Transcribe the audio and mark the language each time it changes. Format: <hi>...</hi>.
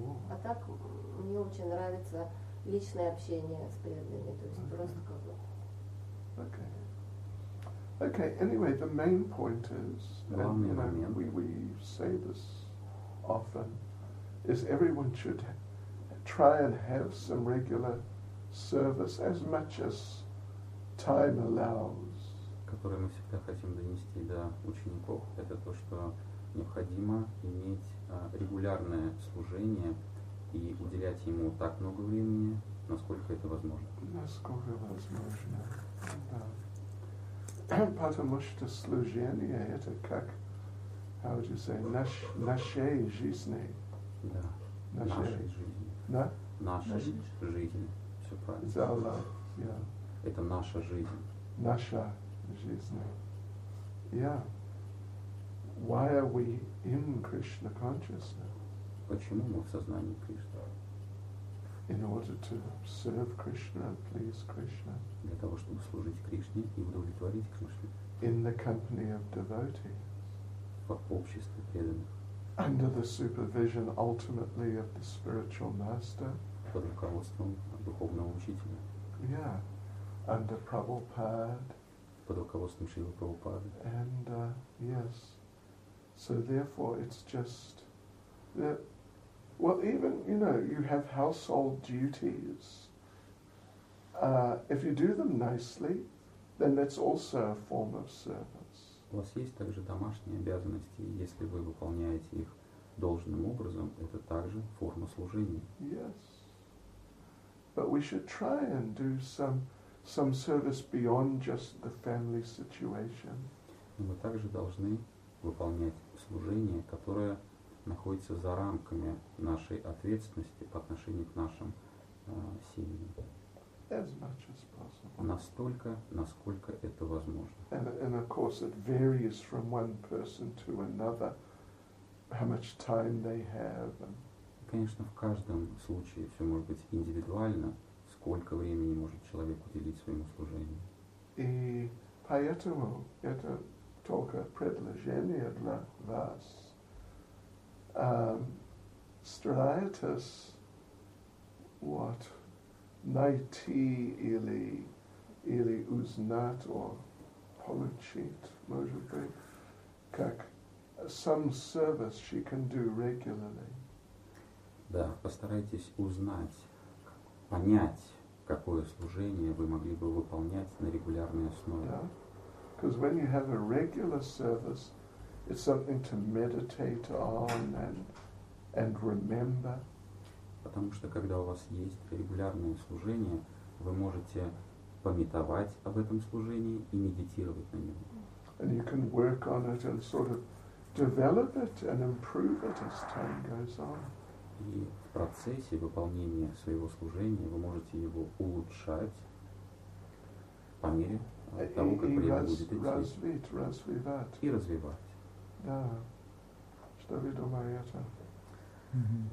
<ru>А так мне очень нравится личное общение с преданными. То есть просто как бы.</ru> <en>Okay, anyway, the main point is, and we say this often, is everyone should try and have some regular service as much as time allows.</en> <ru>Которое мы всегда хотим донести до учеников, это то, что необходимо иметь регулярное служение и уделять ему так много времени, насколько это возможно. Насколько возможно, да. Потому что служение это как,</ru> <en>how would you say,</en> <ru>нашей жизни. Да. Нашей жизни. Да? Нашей жизни. Все правильно.</ru> <en>It's our life. Yeah.</en> <ru>Это наша жизнь. Наша жизнь.</ru> <en>Yeah. Why are we in Krishna consciousness?</en> <ru>Почему мы в сознании Кришны?</ru> <en>In order to serve Krishna and please Krishna.</en> <ru>Для того, чтобы служить Кришне и удовлетворить Кришне.</ru> <en>In the company of devotees.</en> <ru>В обществе преданных.</ru> <en>Under the supervision ultimately of the spiritual master.</en> <ru>Под руководством духовного учителя.</ru> <en>Yeah. Under Prabhupada.</en> <ru>Под руководством Шрилы Прабхупады.</ru> <en>And yes. So therefore it's just that. Well, even, you know, you have household duties. If you do them nicely, then that's also a form of service.</en> <ru>У вас есть также домашние обязанности, если вы выполняете их должным образом, это также форма служения.</ru> <en>Yes. But we should try and do some service beyond just the family situation.</en> <ru>Но мы также должны выполнять служение, которое находится за рамками нашей ответственности по отношению к нашим семьям.</ru> <en>As much as possible.</en> <ru>Настолько, насколько это возможно.</ru> <en>And of course it varies from one person to another, how much time they have.</en> <ru>И, конечно, в каждом случае все может быть индивидуально, сколько времени может человек уделить своему служению. И поэтому это только предложение для вас.</ru> <en>Striatus, what,</en> <ru>найти или узнать,</ru> <en>or</en> <ru>получить, может быть, как</ru> <en>some service she can do regularly.</en> <ru>Да, постарайтесь узнать, понять, какое служение вы могли бы выполнять на регулярной основе.</ru> <en>Да, because when you have a regular service, it's something to meditate on and remember.</en> <ru>Потому что когда у вас есть регулярное служение, вы можете памятовать об этом служении и медитировать на нем.</ru> <en>And you can work on it and sort of develop it and improve it as time goes on.</en> <ru>И в процессе выполнения своего служения вы можете его улучшать по мере того, как время будет идти. Развивать. И развивать. Да. Что вы думаете? Mm-hmm.</ru>